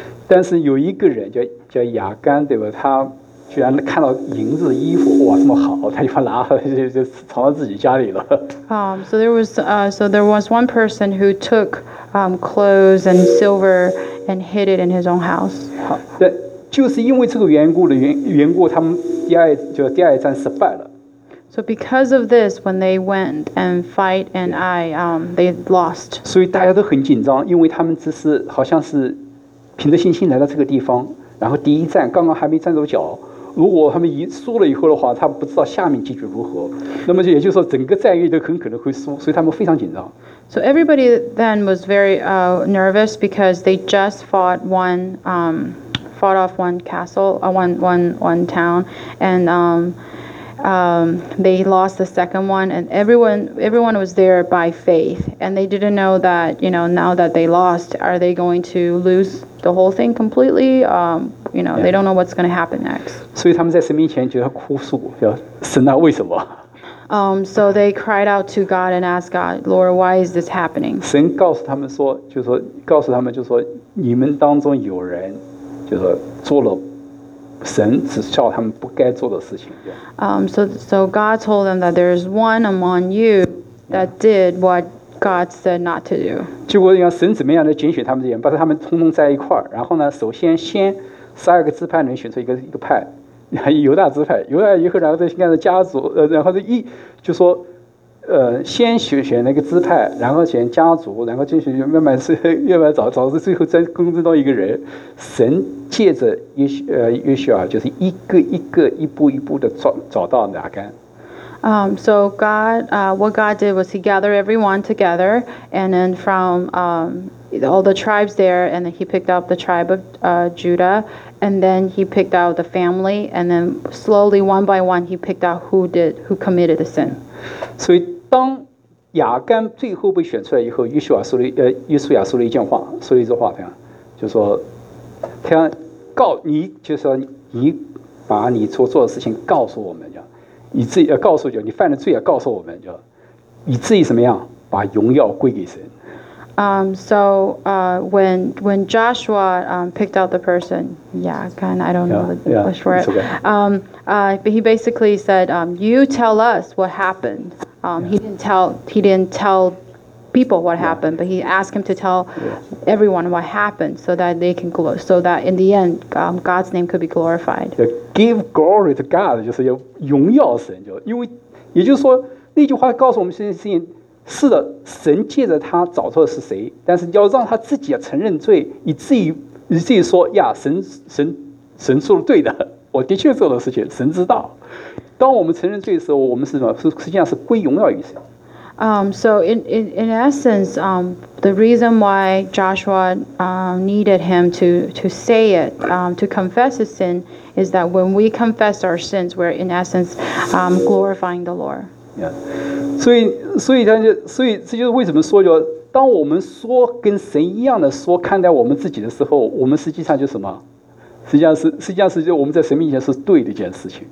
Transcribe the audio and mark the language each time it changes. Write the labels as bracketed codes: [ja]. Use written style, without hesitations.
[zh] 但是有一个人叫亚干，对吧？他居然看到银子衣服，哇，这么好，他就把拿就藏到自己家里了。 [en] So there was one person who took clothes and silver and hid it in his own house. [zh] 对，就是因为这个缘故，他们第二战失败了。 [en] So because of this, when they went and fight and they lost. [zh] 所以大家都很紧张，因为他们只是好像是凭着信心来到这个地方，然后第一站刚刚还没站住脚。如果他们输了以后的话，他不知道下面结局如何，那么也就是说整个战役都很可能会输，所以他们非常紧张。 [en] So everybody then was very nervous because they just fought one fought off one castle, one town, and they lost the second one, and everyone was there by faith, and they didn't know that, you know, now that they lost, are they going to lose the whole thing completely? You know, they don't know what's going to happen next. [zh] 所以他们在神面前就要哭诉，要神啊，为什么？ [en] So they cried out to God and asked God, Lord, why is this happening? [zh] 神告诉他们说，就是说，告诉他们就是说，你们当中有人，就是做了。神只叫他们不该做的事情。 [en] So God told them that there is one among you that did what God said not to do. [zh] 结果你看神怎么样的拣选他们的人，把他们通通在一块儿。然后呢，首先12个支派人选出一个派，犹大支派。犹大以后，然后再看家族，然后就说，先选那个支派，然后选家族，然后再选慢慢找到最后再公正到一个人。神借着约书亚，就是一个一个一步一步的找到拿杆。 [en] So God, what God did was He gathered everyone together, and then from all the tribes there, and then He picked out the tribe of Judah, and then He picked out the family, and then slowly one by one He picked out who committed the sin. [zh] 所以当亚干最后被选出来以后，约书亚说了一件话，说了一句话，这样，就说他告你，就是说你把你所做的事情告诉我们，这样。以至于告诉就你犯了罪，告诉我们就，以至于怎么样把荣耀归给神。 [en] When Joshua picked out the person, yeah, kind of, I don't know the English for it. But he basically said, "You tell us what happened." He didn't tell people what happened, but he asked him to tell everyone what happened so that they can so that in the end, God's name could be glorified. Give glory to God, [zh] 就是要荣耀神，就因为也就是说那句话告诉我们这件事情，是的，神借着他找错是谁，但是要让他自己要承认罪，以至于说呀，神做了对的，我的确做了事情，神知道。当我们承认罪的时候，我们是什么？实际上是归荣耀于神。 [en] So in essence, the reason why Joshua needed him to say it, to confess his sin, is that when we confess our sins, we're in essence glorifying the Lord. Yeah. [zh] 所以这就是为什么说，就当我们说跟神一样的说看待我们自己的时候，我们实际上就是什么？实际上是就我们在神面前是对的一件事情。